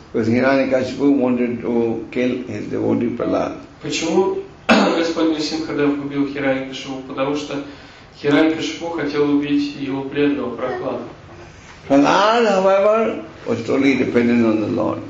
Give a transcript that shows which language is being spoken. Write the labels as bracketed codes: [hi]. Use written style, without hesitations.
[en] Because Hiranyakashipu wanted to kill his devotee Prahlad. [ru] Почему Господь Нрисимхадев убил Хираньякашипу? Потому что Хираньякашипу хотел убить его преданного Прахлада. [en] Prahlad, however, was totally dependent on the Lord.